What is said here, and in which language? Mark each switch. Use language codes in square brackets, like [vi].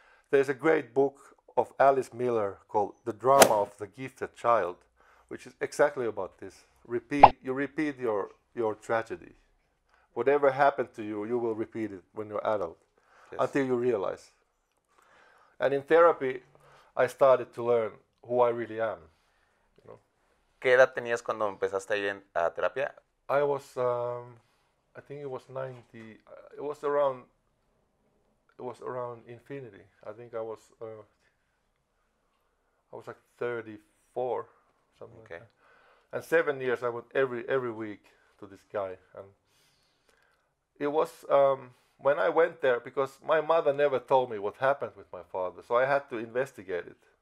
[en] There's a great book of Alice Miller called The Drama of the Gifted Child, which is exactly about this. You repeat your tragedy. Whatever happened to you, you will repeat it when you're adult, yes, until you realize. And in therapy, I started to learn who I really am. You know? [es] ¿Qué edad tenías cuando empezaste a ir en terapia? [en] I was, I think it was 90, it was around infinity. I think I was like 34, something okay. Like that. And 7 years I went every week to this guy. And it was, when I went there, because my mother never told me what happened with my father, so I had to investigate it.